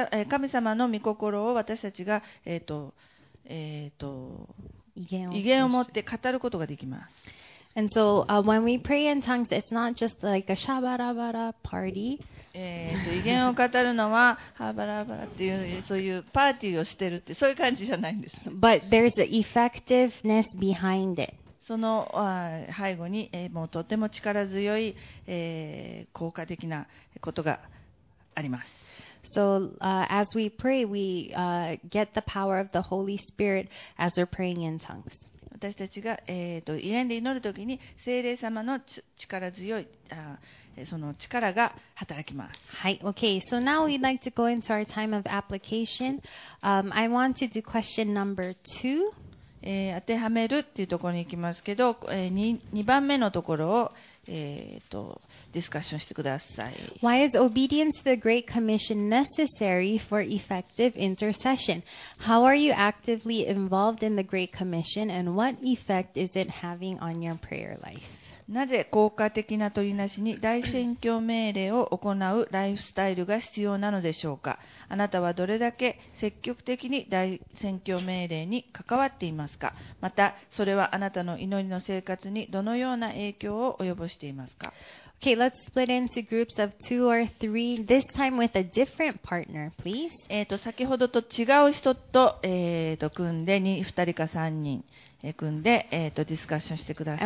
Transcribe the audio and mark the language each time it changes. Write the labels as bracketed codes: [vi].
[ja] 神様の御心を私たちが異言を持って語ることができます。 [en] And so, when we pray in tongues, it's not just like a shabarabara party. [ja] 威厳を語るのは、ハバラバラっていう、そういうパーティーをしてるって、そういう感じじゃないんです。 [en] But there's an effectiveness behind it. [ja] その背後に、もうとても力強い、効果的なことがあります。 [en] So, as we pray, we, get the power of the Holy Spirit as we're praying in tongues. [ja] 私たちが、威厳で祈るときに聖霊様の力強いその力が働きます。 [en] はい、Okay. So now we'd like to go into our time of application. I want to do question number two. [ja] 当てはめるっていうところに行きますけど、2番目のところを、ディスカッションしてください。 [en] Why is obedience to the Great Commission necessary for effective intercession? How are you actively involved in the Great Commission and what effect is it having on your prayer life? [ja] なぜ効果的な取りなしに大宣教命令を行うライフスタイルが必要なのでしょうか？あなたはどれだけ積極的に大宣教命令に関わっていますか？また、それはあなたの祈りの生活にどのような影響を及ぼしていますか？ [en] Okay, let's split into groups of two or three, this time with a different partner, please. [ja] 先ほどと違う人と、組んで、2人か3人、組んで、ディスカッションしてください。